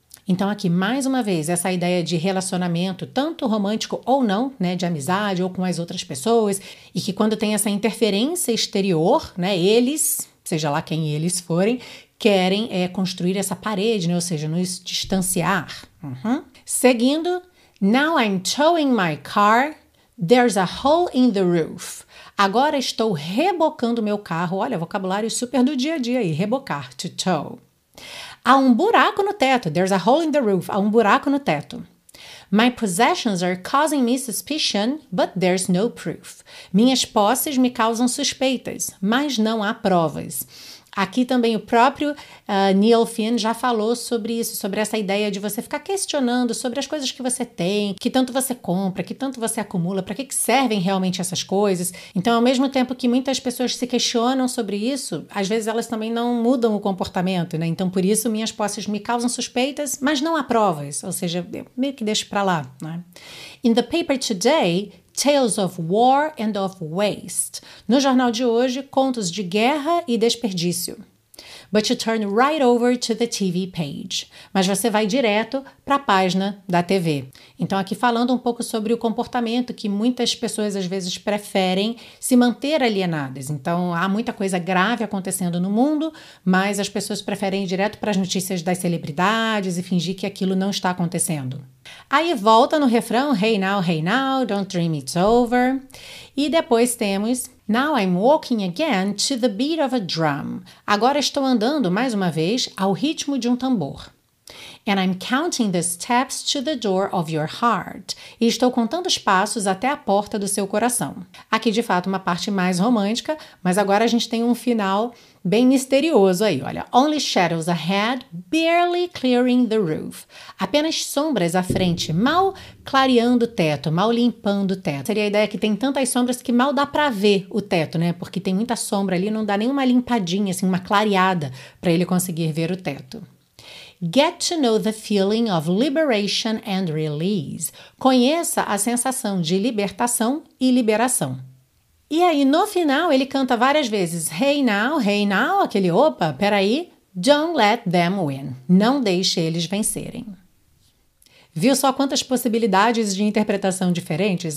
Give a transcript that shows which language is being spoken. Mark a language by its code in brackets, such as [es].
[pt] Então aqui, mais uma vez, essa ideia de relacionamento, tanto romântico ou não, né, de amizade ou com as outras pessoas, e que quando tem essa interferência exterior, né, eles, seja lá quem eles forem, querem construir essa parede, né? Ou seja, nos distanciar. Uhum. [en] Seguindo, now I'm towing my car, there's a hole in the roof. [pt] Agora estou rebocando meu carro. Olha, vocabulário super do dia a dia aí, rebocar, [en] to tow. [pt] Há um buraco no teto, [en] there's a hole in the roof, [pt] há um buraco no teto. [en] My possessions are causing me suspicion, but there's no proof. [pt] Minhas posses me causam suspeitas, mas não há provas. Aqui também o próprio Neil Finn já falou sobre isso, sobre essa ideia de você ficar questionando sobre as coisas que você tem, que tanto você compra, que tanto você acumula, para que, que servem realmente essas coisas. Então, ao mesmo tempo que muitas pessoas se questionam sobre isso, às vezes elas também não mudam o comportamento, né? Então, por isso, minhas posses me causam suspeitas, mas não há provas. Ou seja, eu meio que deixo para lá, né? [en] In the paper today... Tales of War and of Waste. [pt] No jornal de hoje, contos de guerra e desperdício. [en] But you turn right over to the TV page. [pt] Mas você vai direto para a página da TV. Então, aqui falando um pouco sobre o comportamento que muitas pessoas, às vezes, preferem se manter alienadas. Então, há muita coisa grave acontecendo no mundo, mas as pessoas preferem ir direto para as notícias das celebridades e fingir que aquilo não está acontecendo. Aí volta no refrão, [en] hey now, don't dream it's over. [pt] E depois temos... [en] Now I'm walking again to the beat of a drum. [pt] Agora estou andando, mais uma vez, ao ritmo de um tambor. [en] And I'm counting the steps to the door of your heart. [pt] E estou contando os passos até a porta do seu coração. Aqui, de fato, uma parte mais romântica, mas agora a gente tem um final bem misterioso aí, olha. [en] Only shadows ahead, barely clearing the roof. [pt] Apenas sombras à frente, mal clareando o teto, mal limpando o teto. Seria a ideia que tem tantas sombras que mal dá pra ver o teto, né? Porque tem muita sombra ali, não dá nenhuma limpadinha, assim, uma clareada para ele conseguir ver o teto. [en] Get to know the feeling of liberation and release. [pt] Conheça a sensação de libertação e liberação. E aí, no final, ele canta várias vezes, [en] hey now, [pt] aquele opa, peraí, [en] don't let them win. [pt] Não deixe eles vencerem. Viu só quantas possibilidades de interpretação diferentes?